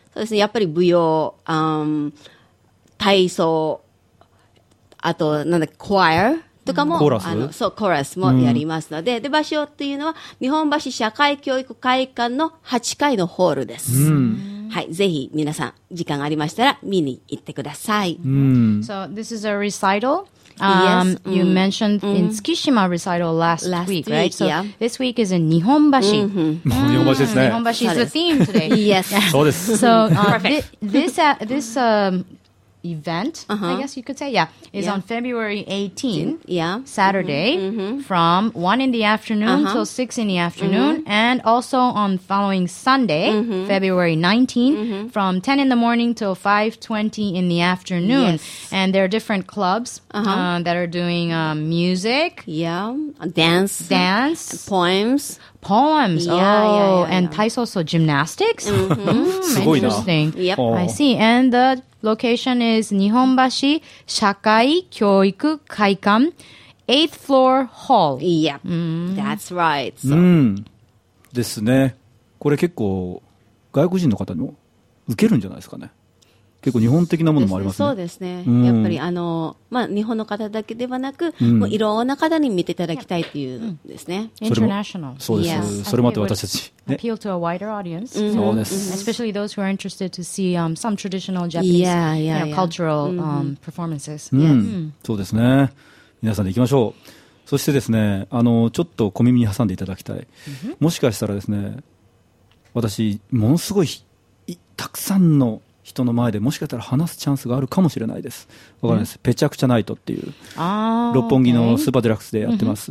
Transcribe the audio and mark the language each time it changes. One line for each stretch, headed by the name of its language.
Japanese: そうですね、やっぱり舞踊、体操、あとなんだっけ、クワイアとかも、コーラス、そう、コーラスもやりますので、で、場所っていうのは、日本橋社会教育会館の8階のホールです。はい、ぜひ皆さん、時間ありましたら見に行ってください。
English: So, this is a recital. Yes. You mentioned in Tsukishima recital last week, right? So, yeah. This week is in Nihonbashi. Nihonbashi is the theme today. Yes.
Japanese: そうです。
English: So, this event, I guess you could say, is on February 18th, Saturday, from 1 in the afternoon till 6 in the afternoon, and also on following Sunday, February 19th, from 10 in the morning till 5:20 in the afternoon. Yes. And there are different clubs that are doing music, dance, poems. and taiso, so gymnastics? Interesting. I see. And the location is Nihonbashi Shakai Kyoiku Kaikan, 8th floor hall. Yep. That's right.
Japanese: ですね。これ結構外国人の方にも受けるんじゃないですかね。結構日本的なものもありますね。そうですね。やっぱり日本の方だけではなく、もういろんな方に見ていただきたいっていうですね。
English: International.
Japanese: そうです。
English: Yes.
Japanese: それもあって私たち。
English: Appeal to a wider audience.
Japanese: そうです。
English: Especially those who are interested to see some traditional Japanese cultural performances.
Japanese: そうですね。皆さんで行きましょう。そしてですね、ちょっと小耳に挟んでいただきたい。もしかしたらですね、私、ものすごいたくさんの人の前でもしかしたら話すチャンスがあるかもしれないです。わからないです。ペチャクチャナイトっていう、六本木のスーパーデラックスでやってます。